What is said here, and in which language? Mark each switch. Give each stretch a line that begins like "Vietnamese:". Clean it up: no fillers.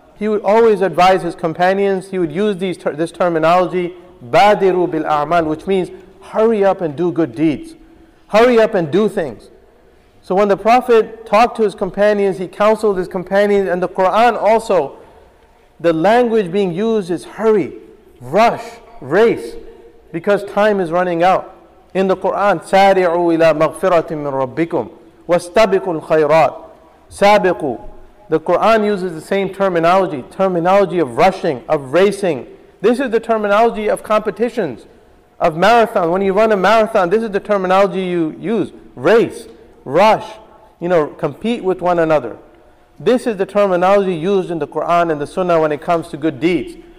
English: He would always advise his companions, he would use this terminology,
Arabic: badiru bil a'mal,
English: which means hurry up and do good deeds. Hurry up and do things. So when the Prophet talked to his companions, he counseled his companions, and the Quran also, the language being used is hurry, rush, race, because time is running out. In the Quran,
Arabic: سَارِعُوا إِلَى مَغْفِرَةٍ مِّن رَبِّكُمْ وَاسْتَبِقُوا الْخَيْرَاتِ سَابِقُوا.
English: The Quran uses the same terminology of rushing, of racing. This is the terminology of competitions, of marathon. When you run a marathon, this is the terminology you use. Race, rush, you know, compete with one another. This is the terminology used in the Quran and the Sunnah when it comes to good deeds.